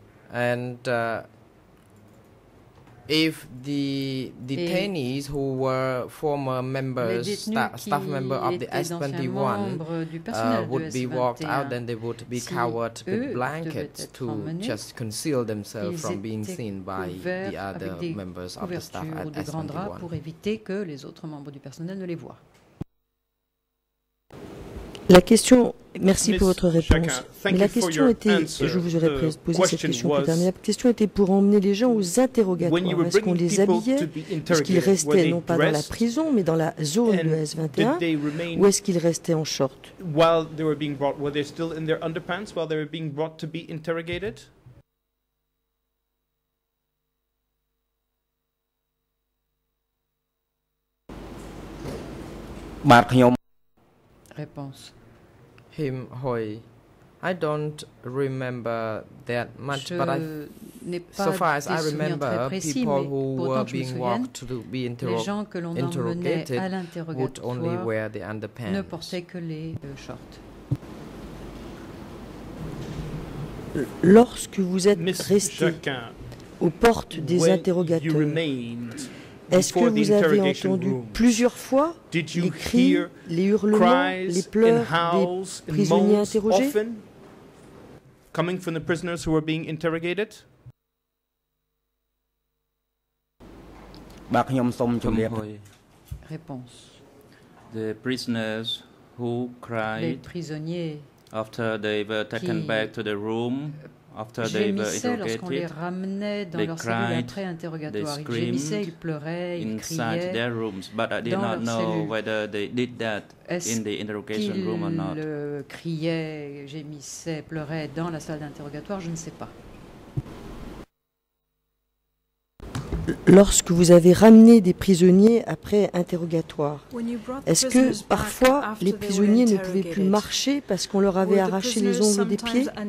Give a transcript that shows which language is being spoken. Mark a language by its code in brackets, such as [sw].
[en] And if the detainees who were former members, staff members of the S21 would be walked out, then they would be covered with blankets to just conceal themselves from being seen by the other members of the staff at S21. [fr] Pour éviter que les autres membres du personnel ne les voient. La question, merci pour votre réponse. Mais la question était, je vous aurais posé cette question plus tard, mais la question était pour emmener les gens aux interrogatoires. Est-ce qu'on les habillait, est-ce qu'ils restaient non pas dans la prison, mais dans la zone de S21, ou est-ce qu'ils restaient en short? [en] While they were being brought, were they still in their underpants while they were being brought to be interrogated? [fr] Réponse. [en] Him Huy, I don't remember that much, but so far as I remember, people who were being walked to be interrogated would only wear the underpants. [fr] Ne portaient que les shorts. Lorsque vous êtes resté aux portes des interrogateurs, est-ce que vous avez entendu plusieurs fois les cris, les hurlements, les pleurs des prisonniers interrogés? [en] Coming from the prisoners who were being interrogated? [fr] Réponse. [en] The prisoners who cried after they were taken back to the room. After they were interrogated, they cried, they screamed inside their rooms, but I did not know whether they did that in the interrogation room or not. [fr] Criaient, gémissaient, pleuraient dans la salle d'interrogatoire, je ne sais pas. Lorsque vous avez ramené des prisonniers après interrogatoire, est-ce que parfois les prisonniers ne pouvaient plus marcher parce qu'on leur avait arraché les ongles des pieds?